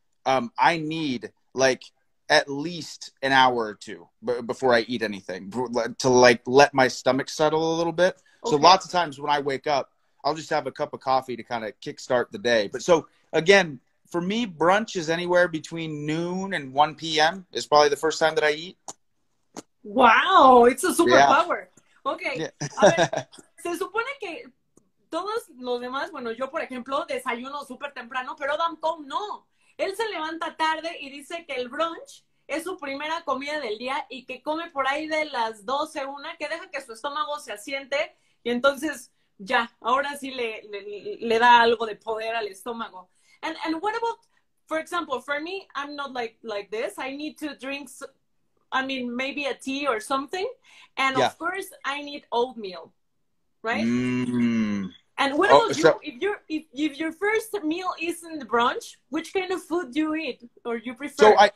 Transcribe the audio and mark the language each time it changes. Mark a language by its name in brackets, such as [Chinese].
[English] I need like at least an hour or two before I eat anything to like let my stomach settle a little bit. So Okay. lots of times when I wake up, I'll just have a cup of coffee to kind of kickstart the day. But so again, for me, brunch is anywhere between noon and 1 p.m. is probably the first time that I eat. Wow, it's a Yeah. superpower. [Spanish] Okay, a ver, se supone que todos los demás, bueno, yo por ejemplo, desayuno súper temprano, pero Danton no. Él se levanta tarde y dice que el brunch es su primera comida del día y que come por ahí de las 12, una, que deja que su estómago se asiente y entonces ya, ahora sí le da algo de poder al estómago. [English] And what about, for example, for me, I'm not like this. I need to drink, I mean, maybe a tea or something. And of course, I need oatmeal, right? And what Oh, about you? so If your first meal isn't brunch, which kind of food do you eat or you prefer?